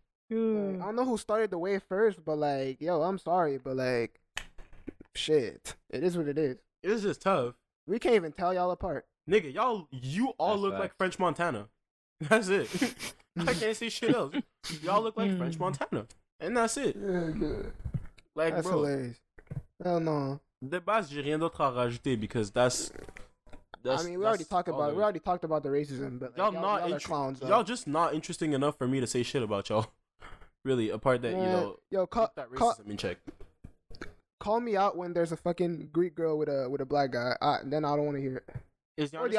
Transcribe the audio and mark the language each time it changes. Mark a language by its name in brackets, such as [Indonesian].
[English] Like, I don't know who started the wave first, but, like, yo, I'm sorry, but, like, shit. It is what it is. It is just tough. We can't even tell y'all apart. Nigga, you all look like French Montana. That's it. I can't see shit else. Y'all look like French Montana. And that's it. Yeah, like, that's bro. Hilarious. Hell no. [French] De base, j'ai rien d'autre à rajouter [English] because that's, I mean, we already talked about the racism, but like, y'all are clowns. Y'all just not interesting enough for me to say shit about y'all. Really, apart that, keep that racism in check. Call me out when there's a fucking Greek girl with a black guy. Then I don't want to hear it.